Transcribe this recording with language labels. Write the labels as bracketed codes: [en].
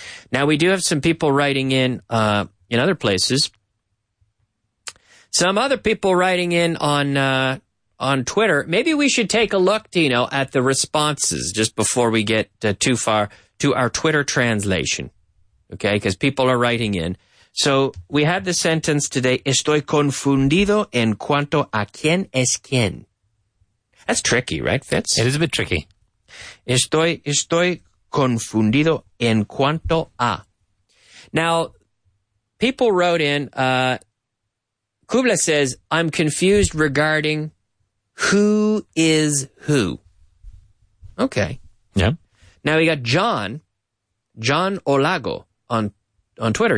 [en] Now, we do have some people writing in other places. Some other people writing in on Twitter. Maybe we should take a look, Dino, at the responses just before we get too far to our Twitter translation. Okay? Because people are writing in. So we had the sentence today, [es] estoy confundido en cuanto a quién es quién. [en] That's tricky, right, Fitz? It is a bit tricky. [es] Estoy confundido en cuanto a. [en] Now, people wrote in, Kubla says, I'm confused regarding who is who. Okay. Yeah. Now we got John Olago on Twitter.